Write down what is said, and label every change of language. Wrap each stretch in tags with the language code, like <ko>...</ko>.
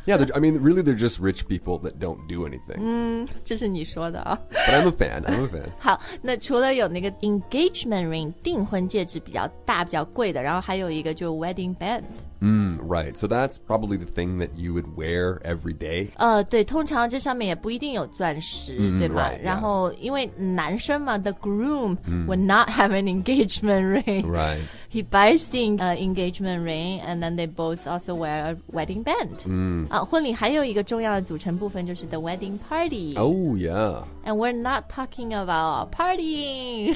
<en>Yeah, I mean really they're just rich people that don't do anything</en> <zh>这是你说的啊</zh> <en>But I'm a fan</en> <zh>好那除了有那个 engagement ring 订婚戒指比较大比较贵的然后还有一个就是 wedding band</zh> <en>Right, so that's probably the thing that you would wear every day.</en> <zh>对，通常这上面也不一定有钻石，对吧？</zh> <en>Right,</en> <zh>然后、</zh> <en>yeah.</en> <zh>因为男生嘛</zh> <en>，the groom、would not have an engagement ring. Right, he buys the engagement ring, and then they both also wear a wedding band.</en> <zh>婚礼还有一个重要的组成部分就是</zh> <en>the wedding party. Oh yeah. And we're not talking about partying.</en>